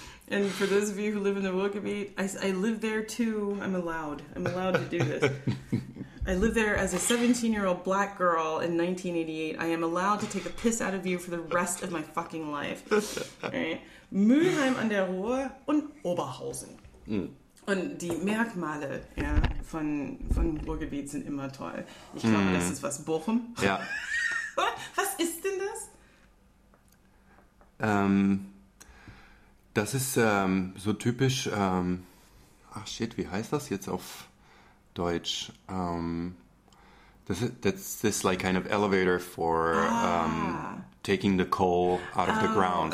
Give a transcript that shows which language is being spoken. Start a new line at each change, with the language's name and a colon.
English: And for those of you who live in the Ruhrgebiet, I live there too. I'm allowed to do this. I live there as a 17-year-old black girl in 1988. I am allowed to take a piss out of you for the rest of my fucking life.
German: Right? Mülheim an der Ruhr und Oberhausen. Mm. Und die Merkmale von Ruhrgebiet sind immer toll. Ich glaube, das ist was. Bochum? Ja. Was ist denn das? Das ist so typisch, ach shit, wie heißt das jetzt auf Deutsch?
English: That's like kind of elevator for taking the coal out of the ground.